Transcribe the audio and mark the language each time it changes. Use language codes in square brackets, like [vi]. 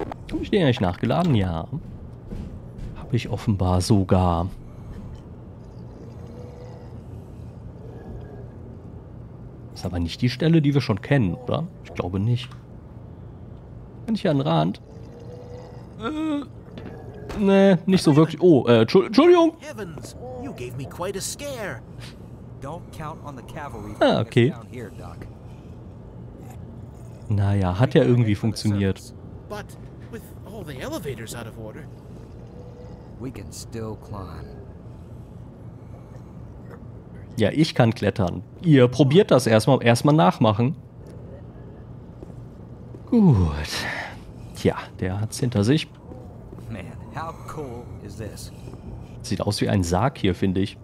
[de] Habe ich den eigentlich nachgeladen? Ja. Habe ich offenbar sogar. Ist aber nicht die Stelle, die wir schon kennen, oder? Ich glaube nicht. Kann ich hier an den Rand? Nee, nicht so wirklich. Oh, Entschuldigung. [en] Heavens, you gave me quite a scare. Don't count on the cavalry. Ah, okay. [de] Naja, hat ja irgendwie funktioniert. [en] But with all the elevators out of order, we can still climb. [de] Ja, ich kann klettern. Ihr probiert das erstmal nachmachen. Gut. Tja, der hat's hinter sich. [en] How cool is this? [de] Sieht aus wie ein Sarg hier, finde ich.